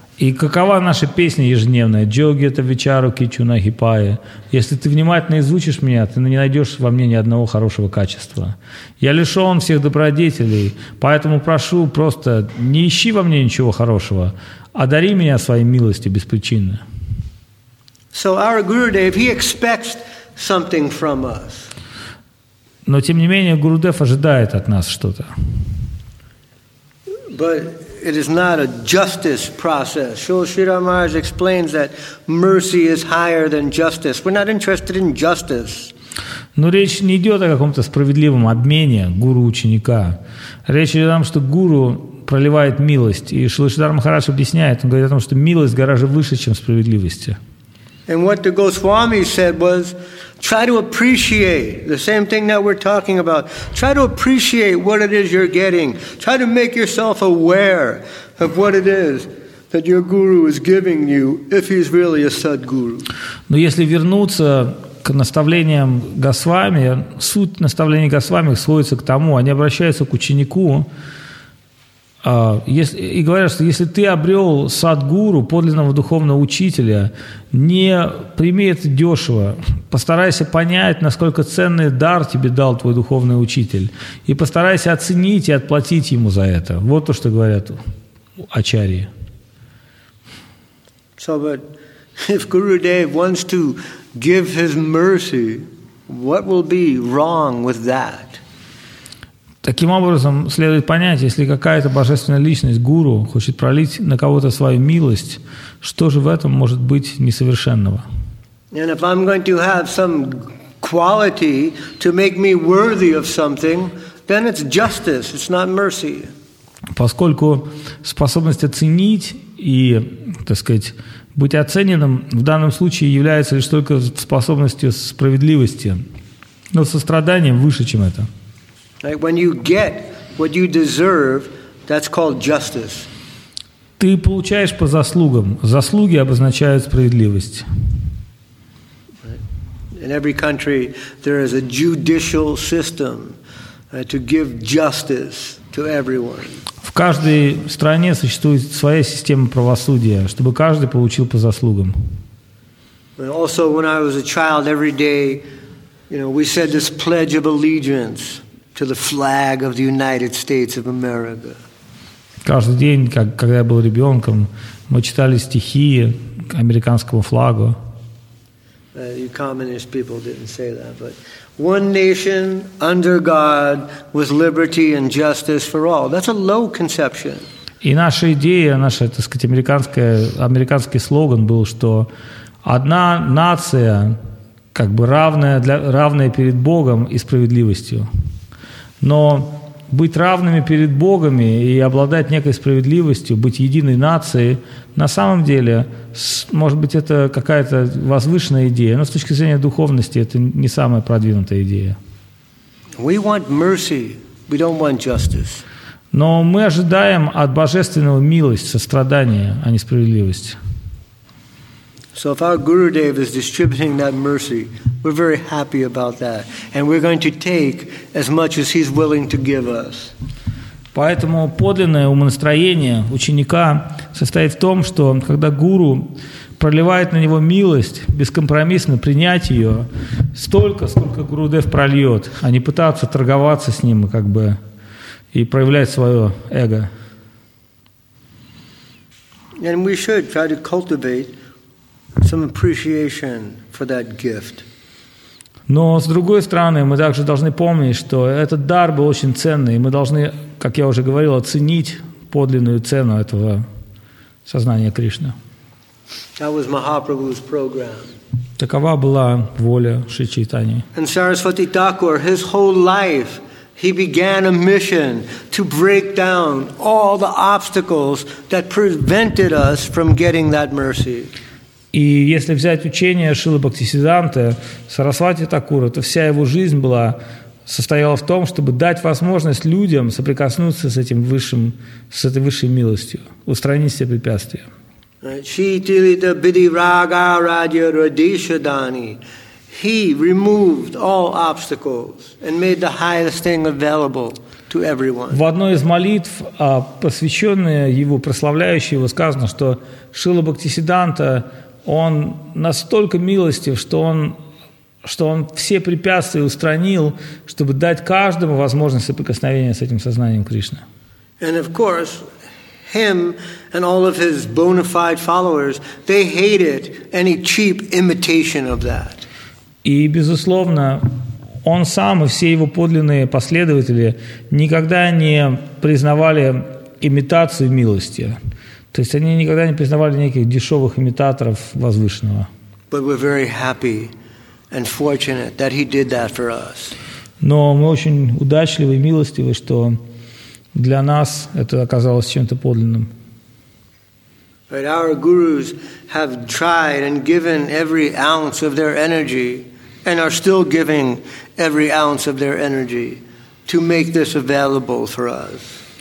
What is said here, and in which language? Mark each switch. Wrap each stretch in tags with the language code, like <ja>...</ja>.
<ru>И какова наша песня ежедневная?</ru> <bn>Джогита вечару кичуна хипая.</bn> <ru>Если ты внимательно изучишь меня, ты не найдешь во мне ни одного хорошего качества. Я лишен всех добродетелей, поэтому прошу просто не ищи во мне ничего хорошего. Одари меня своей милостью без причины.</ru> <en>So our Gurudev, he expects something from us.</en> <ru>Но тем не менее Гурудев ожидает от нас что-то.</ru> <en>But it is not a justice process. Srila Sridhar Maharaj explains that mercy is higher than justice. We're not interested in justice.</en> <ru>Но речь не идет о каком-то справедливом обмене гуру-ученика. Речь идет о том, что гуру проливает милость. И Шрила Сридхар Махарадж объясняет, он говорит о том, что милость гораздо выше, чем справедливость.</ru> <en>And what the Goswami said was, try to appreciate the same thing that we're talking about. Try to appreciate what it is you're getting. Try to make yourself aware of what it is that your guru is giving you, if he's really a sadguru.</en> <ru>Но если вернуться к наставлениям Госвами, суть наставлений Госвами сводится к тому, они обращаются к ученику, и говорят, что если ты обрел садгуру, подлинного духовного учителя, не прими это дешево. Постарайся понять, насколько ценный дар тебе дал твой духовный учитель. И постарайся оценить и отплатить ему за это. Вот то, что говорят ачарьи.</ru> <en>So, but if Gurudev wants to give his mercy, what will be wrong with that?</en> <ru>Таким образом, следует понять, если какая-то божественная личность, гуру, хочет пролить на кого-то свою милость, что же в этом может быть несовершенного?</ru> <en>And if I'm going to have some quality to make me worthy of something, then it's justice, it's not mercy.</en> <ru>Поскольку способность оценить и, так сказать, быть оцененным в данном случае является лишь только способностью справедливости, но сострадание выше, чем это.</ru> <en>Like when you get what you deserve, that's called justice.</en> <ru>Ты получаешь по заслугам. Заслуги обозначают справедливость.</ru> <en>In every country, there is a judicial system to give justice to everyone.</en> <ru>В каждой стране существует своя система правосудия, чтобы каждый получил по заслугам.</ru> <en>Also, when I was a child, every day, you know, we said this pledge of allegiance to the flag of the United States of America.</en> <ru>Каждый день, когда я был ребенком, мы читали стихи к американскому флагу.</ru> <en>You communist people didn't say that, but one nation under God with liberty and justice for all. That's a low conception.</en> <ru>И наша идея, наш, так сказать, американский слоган был, что одна нация, как бы равная перед Богом и справедливостью. Но быть равными перед Богами и обладать некой справедливостью, быть единой нацией, на самом деле, может быть, это какая-то возвышенная идея, но с точки зрения духовности это не самая продвинутая идея.</ru> <en>We want mercy. We don't want justice.</en> <ru>Но мы ожидаем от Божественного милость, сострадание, а не справедливость.</ru> <en>So if our Gurudev is distributing that mercy, we're very happy about that. And we're going to take as much as he's willing to give us.</en> <ru>Поэтому подлинное умонастроение ученика состоит в том, что когда гуру проливает на него милость, бескомпромиссно принять ее столько, сколько Гурудев прольет, а не пытаться торговаться с ним, как бы, и проявлять свое эго.</ru> <en>And we should try to cultivate some appreciation for that gift.</en> <ru>Но, с другой стороны, мы также должны помнить, что этот дар был очень ценный, и мы должны, как я уже говорил, оценить подлинную цену этого сознания Кришны.</ru> <en>That was Mahaprabhu's program.</en> <ru>Такова была воля Шри Чайтаньи.</ru> <en>And Saraswati Thakur, his whole life, he began a mission to break down all the obstacles that prevented us from getting that mercy.</en> <ru>И если взять учение Шрилы Бхактисиддханты Сарасвати Такура, то вся его жизнь состояла в том, чтобы дать возможность людям соприкоснуться с этой высшей милостью, устранить все препятствия.</ru> <sa>Шитилита биди рага радья радиша дани.</sa> <en>He removed all obstacles and made the highest thing available.</en> <ru>В одной из молитв, посвященной его, прославляющей его, сказано, что Шрила Бхактисиддханта, он настолько милостив, что он все препятствия устранил, чтобы дать каждому возможность соприкосновения с этим сознанием Кришны.</ru> <en>And of course, him and all of his bona fide followers, they hated any cheap imitation of that.</en> <ru>И, безусловно, он сам и все его подлинные последователи никогда не признавали имитацию милости. То есть они никогда не признавали никаких дешевых имитаторов возвышенного.</ru> <en>But we're very happy and fortunate that he did that for us.</en> <ru>Но мы очень удачливы и милостивы, что для нас это оказалось чем-то подлинным.</ru> <en>Right, our gurus have tried and given every ounce of their energy and are still giving every ounce of their energy to make this available for us.</en>